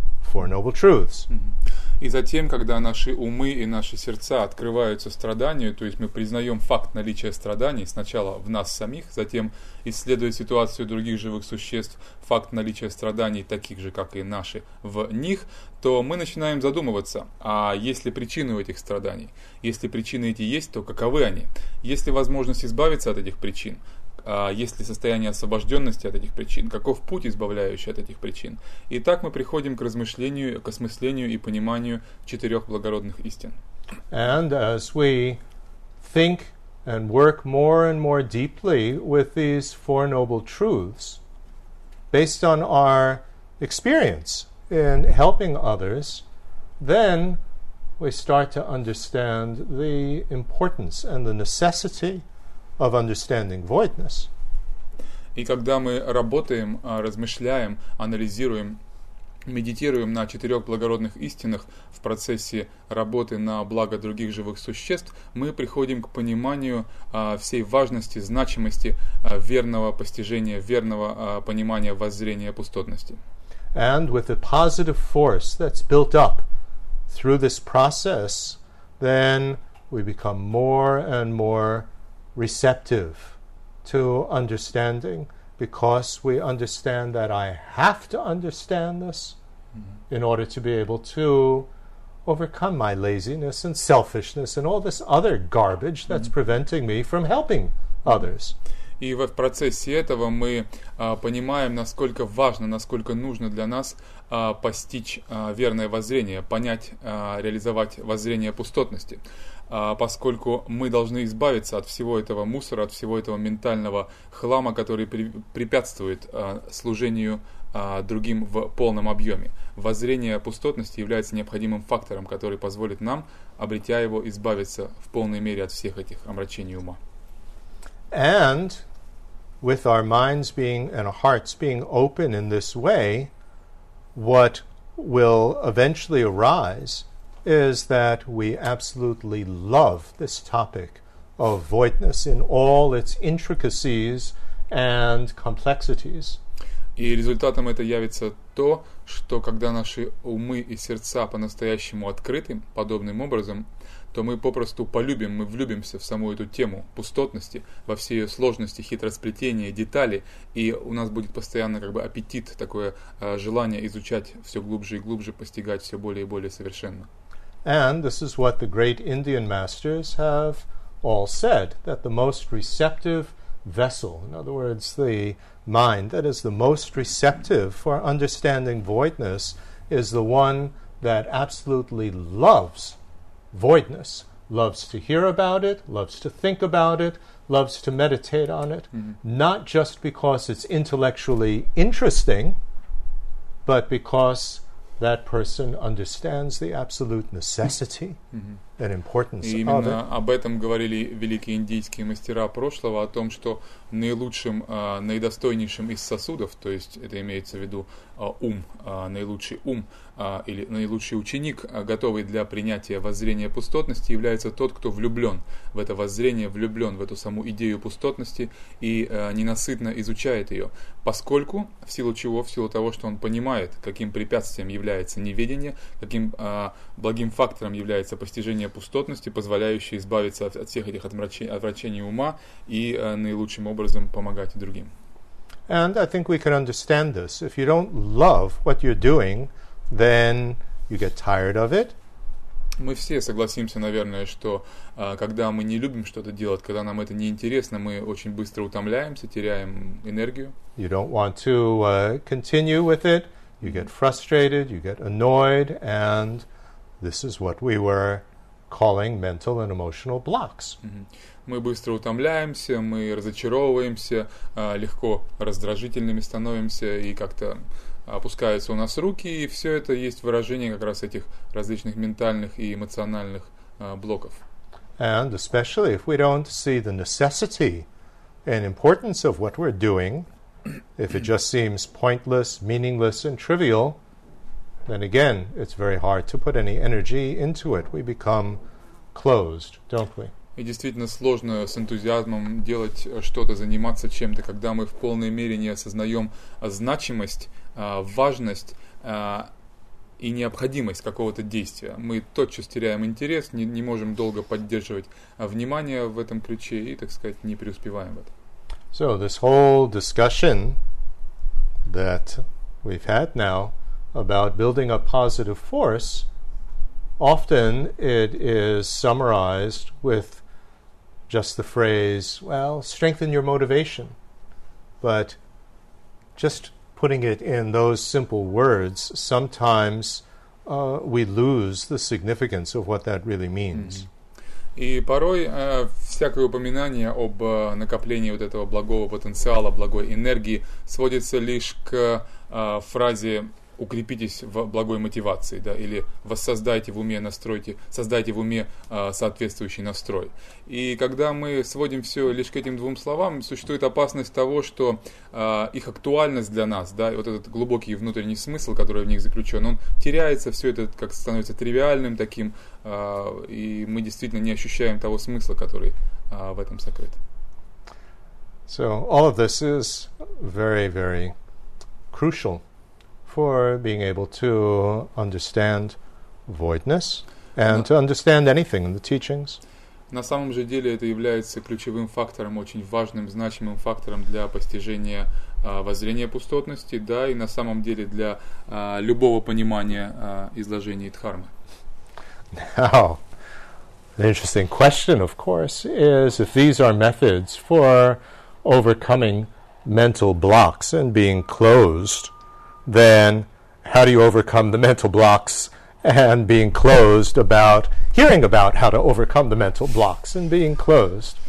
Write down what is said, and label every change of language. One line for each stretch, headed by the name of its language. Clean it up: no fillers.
English: Four Noble Truths.
Russian: И затем, когда наши умы и наши сердца открываются страданию, то есть мы признаем факт наличия страданий сначала в нас самих, затем, исследуя ситуацию других живых существ, факт наличия страданий таких же, как и наши, в них, то мы начинаем задумываться, а есть ли причины у этих страданий? Если причины эти есть, то каковы они? Есть ли возможность избавиться от этих причин? Есть ли состояние освобожденности от этих причин, каков путь, избавляющий от этих причин. И так мы приходим к размышлению, к осмыслению и пониманию четырех благородных истин.
English: And as we think and work more and more deeply with these Four Noble Truths, based on our experience in helping others, then we start to understand the importance and the necessity of understanding voidness.
Russian: И когда мы работаем, размышляем, анализируем медитируем на четырех благородных истинах в процессе работы на благо других живых существ, мы приходим к пониманию всей важности, значимости верного постижения, верного понимания воззрения пустотности.
English: And with the positive force that's built up through this process, then we become more and more receptive to understanding, because we understand that I have to understand this in order to be able to overcome my laziness and selfishness and all this other garbage that's preventing me from helping others.
Russian: И в процессе этого мы понимаем, насколько важно, насколько нужно для нас постичь верное воззрение, понять, реализовать воззрение пустотности. Поскольку мы должны избавиться от всего этого мусора, от всего этого ментального хлама, который препятствует служению другим в полном объеме. Воззрение пустотности является необходимым фактором, который позволит нам, обретя его, избавиться в полной мере от всех этих омрачений ума.
English: And with our minds being and our hearts being open in this way, what will eventually arise is that we absolutely love this topic of voidness in all its intricacies and complexities.
Russian: И результатом это явится то, что когда наши умы и сердца по-настоящему открыты подобным образом, то мы попросту полюбим, мы влюбимся в саму эту тему пустотности, во все ее сложности, хитросплетения, детали, и у нас будет постоянно как бы аппетит, такое желание изучать все глубже и глубже, постигать все более и более совершенно.
English: And this is what the great Indian masters have all said, that the most receptive vessel, in other words, the mind that is the most receptive for understanding voidness, is the one that absolutely loves voidness, loves to hear about it, loves to think about it, loves to meditate on it, not just because it's intellectually interesting, but because that person understands the absolute necessity and importance of it.
Russian: Именно об этом говорили великие индийские мастера прошлого, о том, что наилучшим, наидостойнейшим из сосудов, то есть это имеется в виду ум, наилучший ум или наилучший ученик, готовый для принятия воззрения пустотности, является тот, кто влюблен в это воззрение, влюблен в эту саму идею пустотности и ненасытно изучает ее. Поскольку, в силу чего, в силу того, что он понимает, каким препятствием является неведение, каким благим фактором является постижение пустотности, позволяющее избавиться от всех этих отвращений ума и наилучшим образом помогать другим.
English: And I think we can understand this. If you don't love what you're doing, then you get tired of it.
Russian: Мы все согласимся, наверное, что когда мы не любим что-то делать, когда нам это не интересно, мы очень быстро утомляемся, теряем энергию.
English: You don't want to continue with it. You get frustrated, you get annoyed, and this is what we were calling mental and emotional blocks.
Russian: Мы быстро утомляемся, мы разочаровываемся, легко раздражительными становимся и как-то опускаются у нас руки, и все это есть выражение как раз этих различных ментальных и эмоциональных блоков.
English: And especially if we don't see the necessity and importance of what we're doing, if it just seems pointless, meaningless and trivial, then again, it's very hard to put any energy into it. We become closed, don't we?
Russian: И действительно сложно с энтузиазмом делать что-то, заниматься чем-то, когда мы в полной мере не осознаем значимость, важность и необходимость какого-то действия. Мы тотчас теряем интерес, не можем долго поддерживать внимание в этом ключе и, так сказать, не преуспеваем в этом.
English: So this whole discussion that we've had now about building a positive force, often it is summarized with just the phrase, well, strengthen your motivation. But just putting it in those simple words, sometimes we lose the significance of what that really means.
Russian: И порой всякое упоминание об накоплении вот этого благого потенциала, благой энергии сводится лишь к фразе укрепитесь в благой мотивации, да, или воссоздайте в уме, настройте, создайте в уме соответствующий настрой. И когда мы сводим все лишь к этим двум словам, существует опасность того, что их актуальность для нас, да, вот этот глубокий внутренний смысл, который в них заключен, он теряется, все это как становится тривиальным таким, и мы действительно не ощущаем того смысла, который в этом сокрыт.
English: So all of this is very, very crucial for being able to understand voidness and to understand anything in the teachings.
Russian: На самом же деле это является ключевым фактором, очень важным, значимым фактором для постижения воззрения пустотности, да, и на самом деле для любого понимания изложений Дхармы.
English: Now, the interesting question, of course, is if these are methods for overcoming mental blocks and being closed, then how do you overcome the mental blocks and being closed about hearing about how to overcome the mental blocks and being closed?